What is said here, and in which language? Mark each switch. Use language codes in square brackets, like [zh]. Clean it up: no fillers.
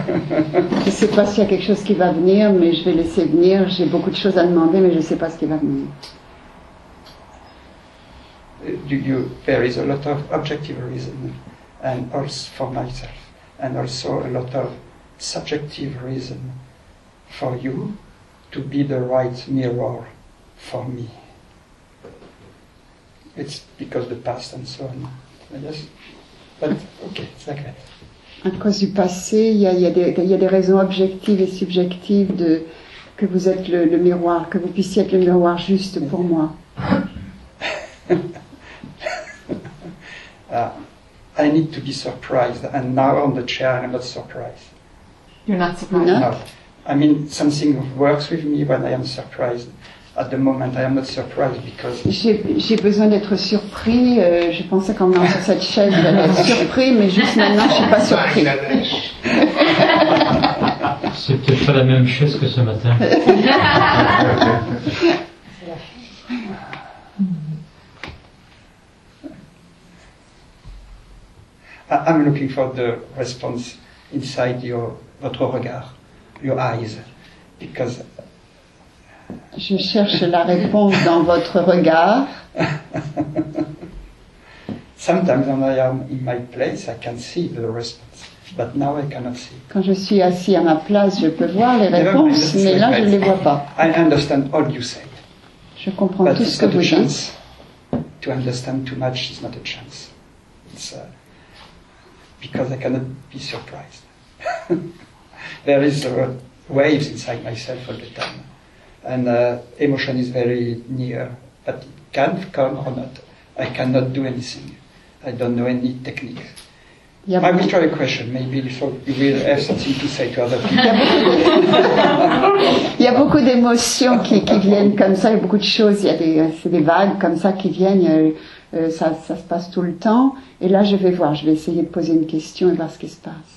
[fr] Je ne sais pas s'il y a quelque chose qui va venir, mais je vais laisser venir. J'ai beaucoup de choses à demander, mais je ne sais pas ce qui va venir. [en] There is a lot of objective reason, and also for myself, and also a lot of subjective reason for you to be the right mirror for me. It's because the past and so on. Yes, but okay, [fr] c'est okay. À cause du passé, il y a des raisons objectives et subjectives de que vous êtes le miroir, que vous puissiez être le miroir juste pour moi. [en] I need to be surprised, and now on the chair, I'm not surprised. You're not surprised. No. I mean, something works with me when I am surprised. At the moment, I am not surprised because [fr] j'ai besoin d'être surpris. Je pensais qu'en venant sur cette chaise, j'allais être surpris, mais juste maintenant, je suis pas surpris. C'est peut-être pas la même chaise que ce matin. [en] I'm looking for the response inside [fr] votre regard, [en] your eyes, because. [fr] Je cherche la réponse dans votre regard. [en] Sometimes when I am in my place, I can see the response, but now I cannot see. [fr] Quand je suis assis à ma place, je peux voir les réponses, mais là je ne les vois pas. [en] I understand all you say. [fr] Je comprends tout ce que vous dites. [en] To understand too much is not a chance. It's because I cannot be surprised. There is waves inside myself all the time. And emotion is very near, but it can come or not. I cannot do anything. I don't know any technique. Yep. I will try a question, maybe so you will have something to say to other people. [fr] Il y a beaucoup d'émotions qui viennent comme ça, il y a beaucoup de choses, c'est des vagues comme ça qui viennent, ça se passe tout le temps. Et là, je vais voir, je vais essayer de poser une question et voir ce qui se passe.